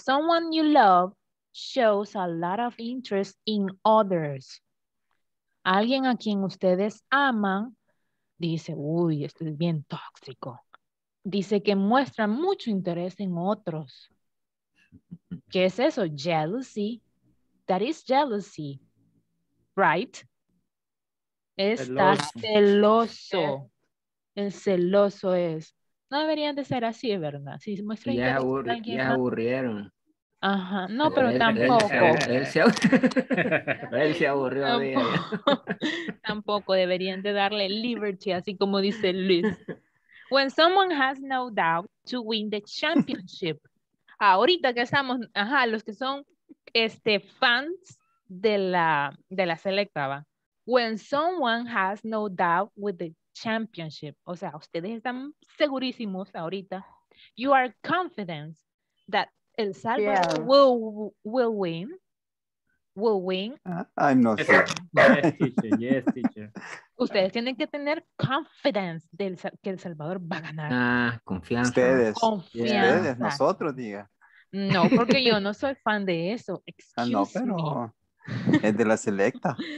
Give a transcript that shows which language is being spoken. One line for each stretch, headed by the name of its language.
English: Someone you love shows a lot of interest in others.
Spanish: Alguien a quien ustedes aman dice, uy, esto es bien tóxico. Dice que muestra mucho interés en otros. ¿Qué es eso? Jealousy.
English: That is jealousy. Right?
Spanish: Está celoso. El celoso es. No deberían de ser así, ¿verdad? Si muestra ya interés. Ya aburrieron. Ajá. No, pero tampoco. Él se aburrió. Tampoco deberían de darle liberty, así como dice Luis.
English: When someone has no doubt to win the championship.
Spanish: Ahorita que estamos, ajá, los que son fans de la selecta, ¿va?
English: When someone has no doubt with the championship.
Spanish: O sea, ustedes están segurísimos ahorita.
English: You are confident that El Salvador will win. Will win. I'm not sure. Yes, teacher.
Spanish: Ustedes tienen que tener confidence que El Salvador va a ganar. Ah, confianza. Ustedes. Confianza. Ustedes, nosotros, diga. No, porque yo no soy fan de eso.
English: Excuse
Spanish: no, pero
English: me.
Spanish: Es de la selecta.